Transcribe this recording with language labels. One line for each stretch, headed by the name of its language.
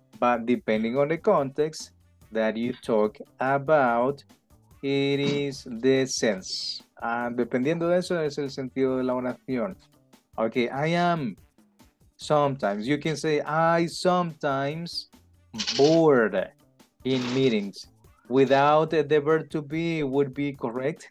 English: But depending on the context that you talk about, it is the sense.
Spanish: Dependiendo de eso, es el sentido de la oración.
English: Okay, I am sometimes. You can say, I sometimes bored in meetings. Without the verb to be would be correct.